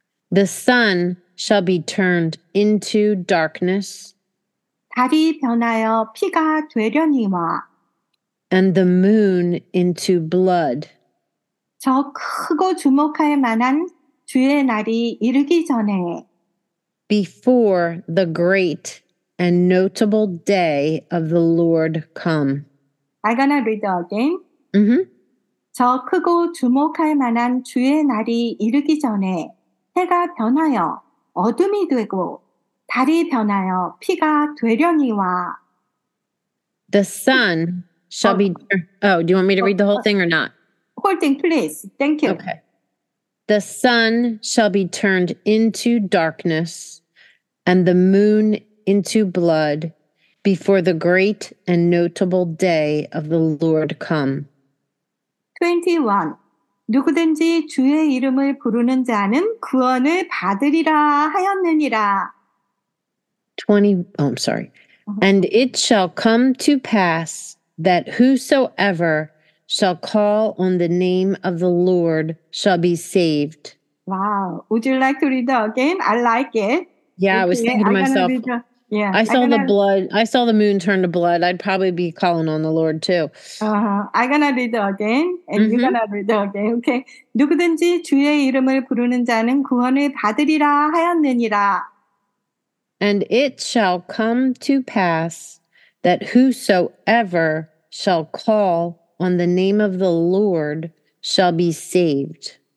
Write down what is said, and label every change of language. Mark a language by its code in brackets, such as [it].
[en] The sun shall be turned into darkness. [ko] 달이 변하여 피가 되려니와. [en] And the moon into blood. [ko] 저 크고 주목할 만한 주의 날이 이르기 전에. [en] Before the great and notable day of the Lord come. I'm gonna read it again. Mm-hmm. [ko] 저 크고 주목할 만한 주의 날이 이르기 전에 해가 변하여 어둠이 되고 달이 변하여 피가 되려니와. [en] The sun shall be... Oh, do you want me to read the whole thing or not? Whole thing, please. Thank you. Okay. The sun shall be turned into darkness and the moon into blood before the great and notable day of the Lord come. 21. [ko] 누구든지 주의 이름을 부르는 자는 구원을 받으리라 하였느니라. [en] 20. Oh, I'm sorry. And it shall come to pass that whosoever shall call on the name of the Lord shall be saved. Wow. Would you like to read that again? I like it. Yeah, okay. I was thinking to myself. Yeah, I saw the moon turn to blood. I'd probably be calling on the Lord too. I'm gonna read it again, and mm-hmm. you're gonna read it again. Okay. [ko] 누구든지 주의 이름을 부르는 자는 구원을 받으리라 하였느니라. [en] And it shall come to pass that whosoever shall call on the name of the Lord shall be saved.